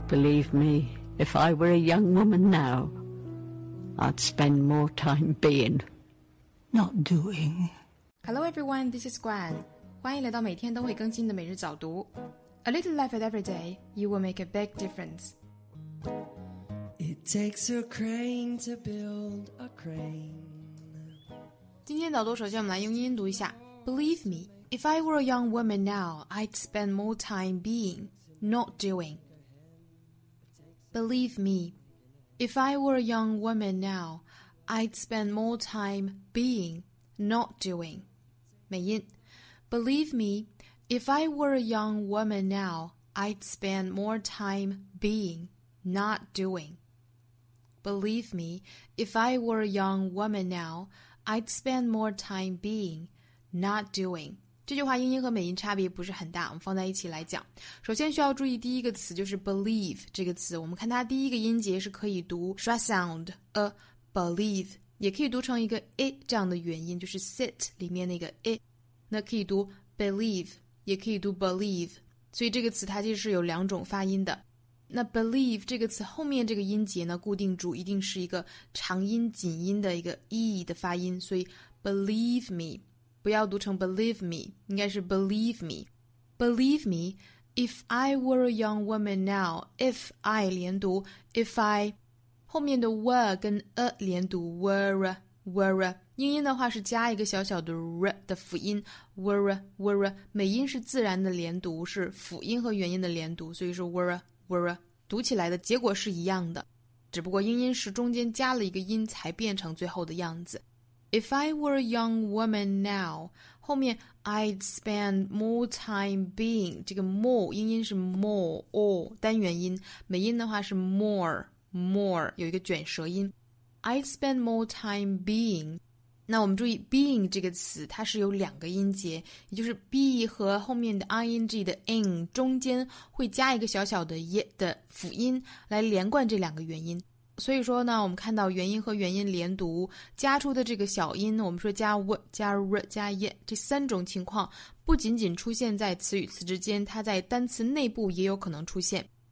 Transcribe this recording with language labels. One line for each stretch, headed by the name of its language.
English: Believe me, if I were a young woman now, I'd spend more time being, not doing. Hello everyone, this is Gwen.
Chinese: 欢迎来到每天都会更新的每日早读。
English: A little effort every day, you will make a big difference. It takes a crane to build a crane.
Chinese: 今天早读首先我们来用英音读一下。
English: Believe me, if I were a young woman now, I'd spend more time being, not doing. Believe me, if I were a young woman now, I'd spend more time being, not doing.
Chinese: 美音。
English: Believe me,If I were a young woman now, I'd spend more time being, not doing. Believe me, if I were a young woman now, I'd spend more time being, not doing.
Chinese: 这句话英音和美音差别不是很大，我们放在一起来讲。首先需要注意第一个词就是 believe 这个词，我们看它第一个音节是可以读 schwa sound, a believe, 也可以读成一个 i 这样的元音，就是 sit 里面那个 i, 那可以读 believe. 也可以读 believe, 所以这个词它其实是有两种发音的。那 believe 这个词后面这个音节呢，固定住一定是一个长音紧音的一个 e 的发音，所以
English: believe me,
Chinese: 不要读成 believe me, 应该是 believe me.
English: Believe me, if I were a young woman now, if I
Chinese: 连读
English: if I,
Chinese: 后面的
English: were
Chinese: 跟
English: a 连读 were, were.
Chinese: 英音的话是加一个小小的 r 的辅音 were were, 美音是自然的连读，是辅音和元音的连读，所以是 were were, 读起来的结果是一样的，只不过英音是中间加了一个音才变成最后的样子。
English: If I were a young woman now,
Chinese: 后面
English: I'd spend more time being,
Chinese: 这个
English: more
Chinese: 英音是
English: more or
Chinese: 单元音，美音的话是
English: more more,
Chinese: 有一个卷舌音。
English: I'd spend more time being,
Chinese: 那我们注意 being 这个词它是有两个音节，也就是 be 和后面的 ing 的 in 中间会加一个小小的 y 的辅音来连贯这两个元音，所以说呢我们看到元音和元音连读加出的这个小音，我们说加 w 加 r 加 y 这三种情况不仅仅出现在词与词之间，它在单词内部也有可能出现。